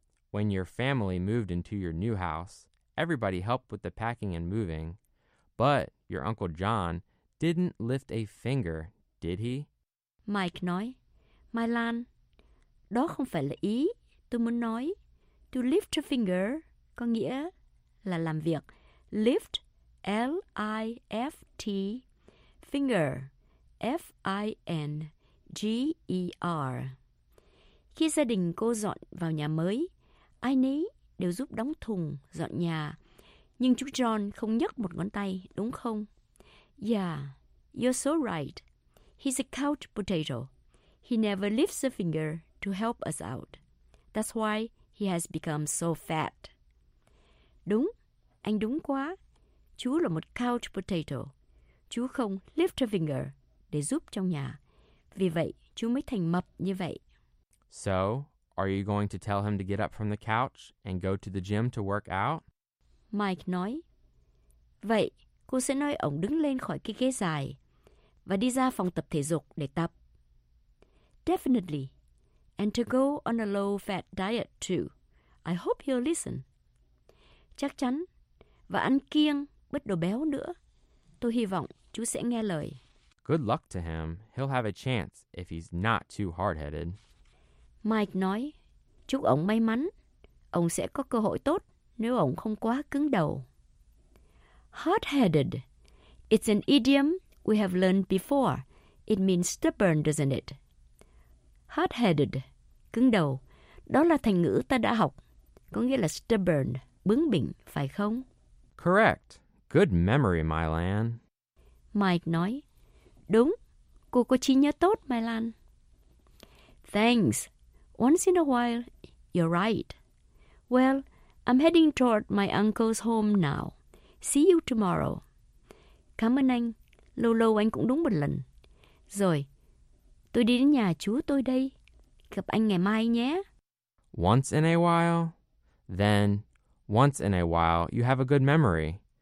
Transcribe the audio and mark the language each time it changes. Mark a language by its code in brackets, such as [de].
[en] When your family moved into your new house, everybody helped with the packing and moving, but your Uncle John didn't lift a finger, did he? [vi] Mike nói, Mai Lan, đó không phải là ý tôi muốn nói. [en] To lift a finger [vi] có nghĩa là làm việc. [en] Lift, L-I-F-T, finger, F-I-N-G-E-R. [vi] Khi gia đình cô dọn vào nhà mới, ai nấy đều giúp đóng thùng, dọn nhà. Nhưng chú John không nhấc một ngón tay, đúng không? [en] Yeah, you're so right. He's a couch potato. He never lifts a finger to help us out. That's why he has become so fat. [vi] Đúng, anh đúng quá. Chú là một couch potato. Chú không [en] lift a finger [vi] để giúp trong nhà. Vì vậy, chú mới thành mập như vậy. [en] So, are you going to tell him to get up from the couch and go to the gym to work out? [vi] Mike nói, vậy, cô sẽ nói ông đứng lên khỏi cái ghế dài và đi ra phòng tập thể dục để tập. [en] Definitely. And to go on a low-fat diet too. I hope he'll listen. [vi] Chắc chắn. Và ăn kiêng, bớt đồ béo nữa. Tôi hy vọng chú sẽ nghe lời. [en] Good luck to him. He'll have a chance if he's not too hard-headed. [vi] Mike nói, chúc ông may mắn. Ông sẽ có cơ hội tốt nếu ông không quá cứng đầu. [en] Hard-headed. It's an idiom we have learned before. It means stubborn, doesn't it? [vi] Hard-headed, cứng đầu, đó là thành ngữ ta đã học, có nghĩa là stubborn, bướng bỉnh, phải không? [en] Correct. Good memory, Mylan. [vi] Mike nói, đúng, cô có trí nhớ tốt, Mylan. [en] Thanks. Once in a while, you're right. Well, I'm heading toward my uncle's home now. See you tomorrow. [vi] Cảm ơn anh. Lâu lâu anh cũng đúng một lần. Rồi, tôi đi đến nhà chú tôi đây. Gặp anh ngày mai nhé. [en] Once in a while. Then, once in a while, you have a good memory.